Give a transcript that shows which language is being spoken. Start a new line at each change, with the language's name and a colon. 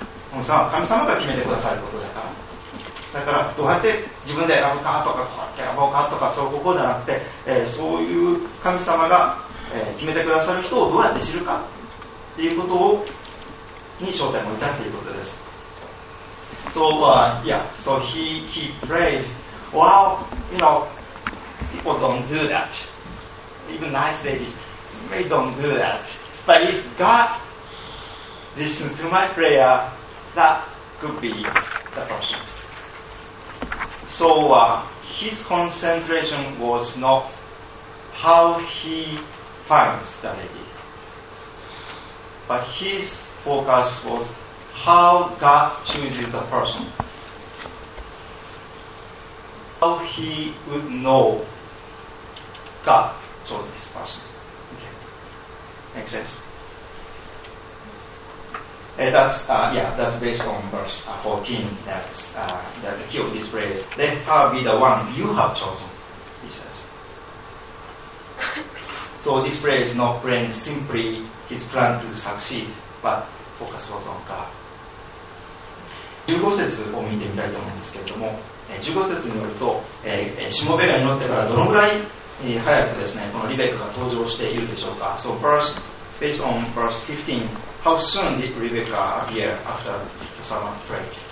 Japanese: 神様が決めてくださることだから、だからどうやって自分で選ぶかとかこうやって選ぼうかとかそういうことじゃなくて、そういう神様が決めてくださる人をどうやって知るかっていうことをに焦点を置いたっていうことです。
English: So, yeah, so he prayed, well, you know, people don't do that. Even nice ladies, they don't do that. But if God listens to my prayer, that could be the person. So, his concentration was not how he finds the lady, but his focus was how God chooses the person, how he would know God chose this person. Okay, makes sense. That's based on verse 14. That the key of this prayer is, let her be the one you have chosen, he says. So this prayer is not praying simply his plan to succeed, but focus was on God.
Japanese: 15節を見てみたいと思うんですけれども、15節によるとしもべが祈ってからどのぐらい早くですねこのリベッカが登場しているでしょうか。
English: So first, based on verse 15, how soon did Rebecca appear after the servant prayed?